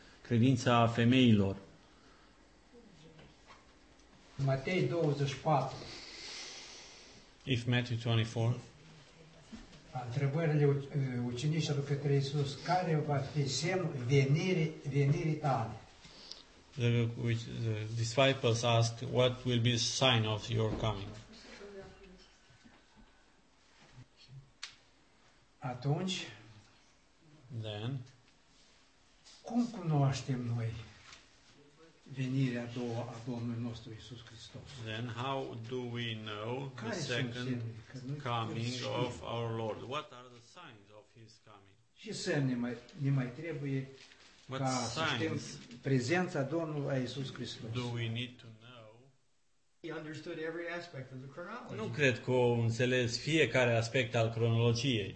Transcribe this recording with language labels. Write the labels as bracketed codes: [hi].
[ro] Credința femeilor. Matei 24. [en] If Matthew 24. [ro] Întrebările ucenicilor către Iisus, care va fi semnul venirii tale? [en] The disciples asked, what will be the sign of your coming? [ro] Atunci, [en] then, [ro] cum cunoaștem noi venirea a doua a Domnului nostru Iisus Hristos. [en] Then how do we know [ro] care [en] the second coming of our Lord? What are the signs of his coming? [ro] Ce semne ne mai trebuie [en] what [ro] ca să știm prezența Domnului a Iisus Hristos? [en] Do we need to know? He understood every aspect of the chronology. [ro] Nu cred că a înțeles fiecare aspect al cronologiei.